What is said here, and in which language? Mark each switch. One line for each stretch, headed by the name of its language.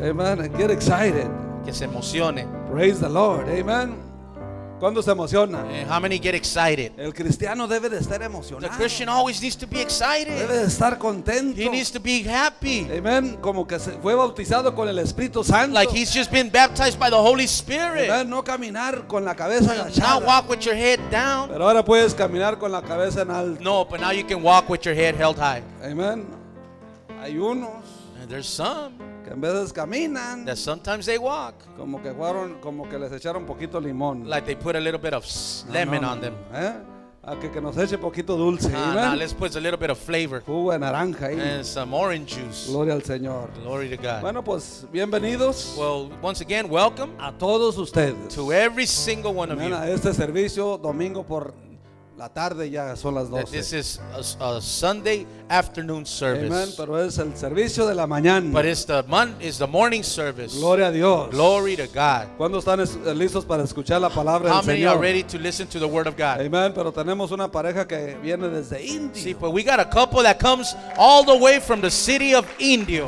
English: Amen. Get excited.
Spanish: Que se emocione.
English: Praise the Lord. Amen.
Spanish: ¿Cuándo se emociona?
English: How many get excited?
Spanish: El cristiano debe de estar emocionado.
English: The Christian always needs to be excited.
Spanish: Debe de estar contento.
English: He needs to be happy. Amen.
Spanish: Como que se fue bautizado con el Espíritu Santo.
English: Like he's just been baptized by the Holy Spirit.
Spanish: Amen. No caminar con la cabeza agachada.
English: Now walk with your head down.
Spanish: Pero ahora puedes caminar con la cabeza en alto.
English: No, but now you can walk with your head held high.
Spanish: Amen. Hay unos.
English: And there's some.
Spanish: En vez de caminan,
English: that sometimes they walk.
Spanish: Como que jugaron, como que les echaron poquito limón.
English: Like they put a little bit of lemon on them.
Spanish: ¿Eh? A que nos eche poquito dulce. Nah, amen.
English: Nah, let's put a little bit of flavor.
Spanish: Jugo de naranja ahí.
English: And some orange juice.
Spanish: Gloria al Señor.
English: Glory to God.
Spanish: Bueno, pues bienvenidos.
English: Well, once again, welcome.
Spanish: A todos ustedes.
English: To every single one of amen, you.
Spanish: A este servicio domingo por la tarde ya son las 12.
English: This is a Sunday afternoon service.
Spanish: Amen. Pero es el servicio de la mañana.
English: But it's the morning service.
Spanish: Gloria a Dios.
English: Glory to God.
Spanish: ¿Cuándo están listos para escuchar la palabra
English: How
Spanish: del Señor?
English: How many are ready to listen to the word of God? Amen.
Spanish: Pero tenemos una pareja que viene desde Indio.
English: Sí, but we got a couple that comes all the way from the city of Indio.